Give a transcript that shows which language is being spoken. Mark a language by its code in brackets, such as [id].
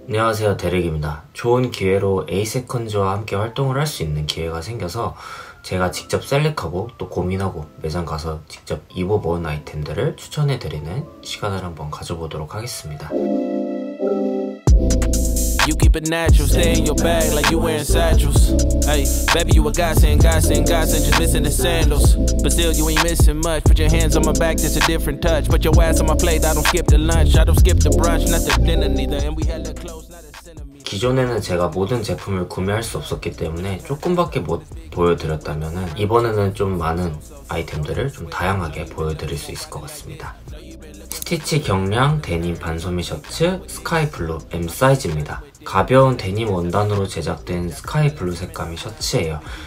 [ko] 안녕하세요, 데릭입니다. 좋은 기회로 에이세컨즈와 함께 활동을 할수 있는 기회가 생겨서 제가 직접 셀렉하고 또 고민하고 매장 가서 직접 입어본 아이템들을 추천해 드리는 시간을 한번 가져보도록 하겠습니다. [en] You keep it natural, stay in your bag like you wearing satchels. Hey, baby, you a godsend, godsend, godsend, just missing the sandals. But still, you ain't missing much. Put your hands on my back, that's a different touch. Put your ass on my plate, I don't skip the lunch. I don't skip the brunch, not the dinner neither. And we had the clothes, not a centimeter. [ko] 기존에는 제가 모든 제품을 구매할 수 없었기 때문에 조금밖에 못 보여드렸다면은 이번에는 좀 많은 아이템들을 좀 다양하게 보여드릴 수 있을 것 같습니다. 스티치 경량 데님 반소매 셔츠 스카이 블루 M 사이즈입니다. 가벼운 데님 원단으로 제작된 스카이 블루 색감의 셔츠예요.